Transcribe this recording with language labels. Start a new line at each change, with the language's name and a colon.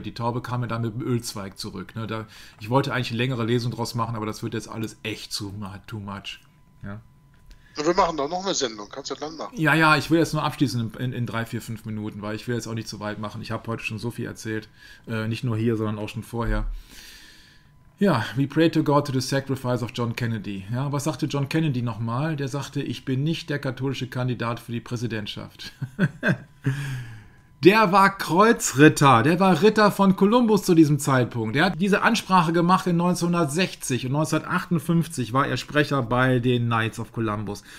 German: Die Taube kam mir dann mit dem Ölzweig zurück. Ne? Ich wollte eigentlich eine längere Lesung draus machen, aber das wird jetzt alles echt too much. Ja. Wir machen da noch eine Sendung. Kannst du dann machen? Ja, ich will jetzt nur abschließen in 3, 4, 5 Minuten, weil ich will jetzt auch nicht zu weit machen. Ich habe heute schon so viel erzählt, nicht nur hier, sondern auch schon vorher.
English: Ja, we pray to God to the sacrifice of John Kennedy.
German: Ja, was sagte John Kennedy nochmal? Der sagte, ich bin nicht der katholische Kandidat für die Präsidentschaft. Der war Kreuzritter, der war Ritter von Kolumbus zu diesem Zeitpunkt. Er hat diese Ansprache gemacht in 1960 und 1958 war er Sprecher bei den Knights of Columbus.